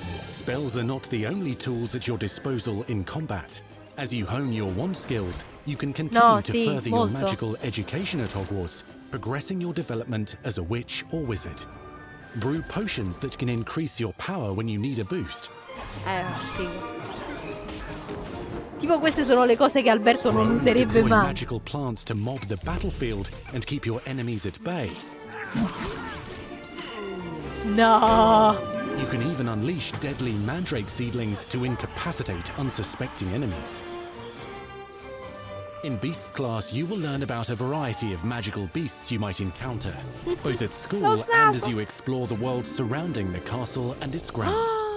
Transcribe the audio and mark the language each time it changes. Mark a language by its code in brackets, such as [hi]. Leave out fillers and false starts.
[en] Spells are not the only tools at your disposal in combat. As you hone your wand skills, you can continue to further your magical education at Hogwarts, progressing your development as a witch or wizard. Brew potions that can increase your power when you need a boost. [it] Tipo queste sono le cose che Alberto non userebbe mai. [en] Magical plants to mob the battlefield and keep your enemies at bay. No. You can even unleash deadly mandrake seedlings to incapacitate unsuspecting enemies. In Beast class, you will learn about a variety of magical beasts you might encounter, both at school and as you explore the world surrounding the castle and its grounds.